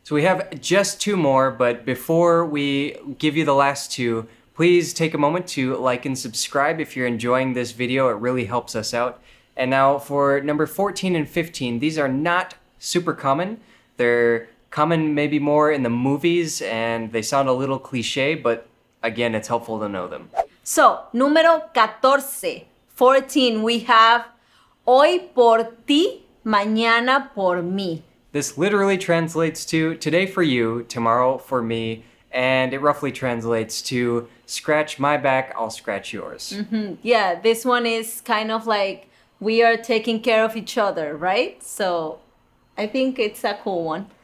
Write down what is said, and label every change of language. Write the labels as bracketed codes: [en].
[en] So we have just two more, but before we give you the last two, please take a moment to like and subscribe if you're enjoying this video. It really helps us out. And now for number 14 and 15, these are not super common. They're common maybe more in the movies and they sound a little cliche, but again, it's helpful to know them. So, número 14, we have [es] hoy por ti, mañana por mí. [en] This literally translates to today for you, tomorrow for me. And it roughly translates to scratch my back, I'll scratch yours. Mm-hmm. Yeah, this one is kind of like we are taking care of each other, right? So I think it's a cool one.